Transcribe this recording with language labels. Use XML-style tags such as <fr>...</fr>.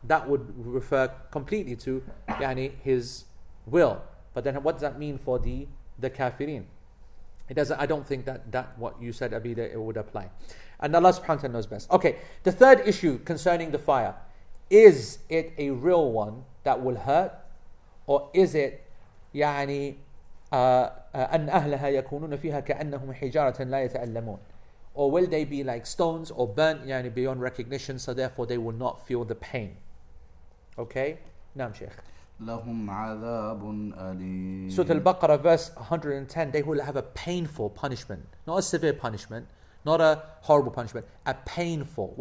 <en>That would refer completely to يعني, his will. But then what does that mean for the kafirin? I don't think that what you said, Abida, it would apply. And Allah subhanahu wa ta'ala knows best. Okay, the third issue concerning the fire. Is it a real one that will hurt? Or is it,</en> <ar>يعني, أن أهلها يكونون فيها كأنهم حجارة لا يتألمون?</ar> <en>Or will they be like stones or burnt, يعني, beyond recognition, so therefore they will not feel the pain?</en> <ar>Okay, نعم شيخ. لهم عذاب أليم.</ar> <en>Surah Al-Baqarah verse 110, they will have a painful punishment. Not a severe punishment, not a horrible punishment, a painful.</en>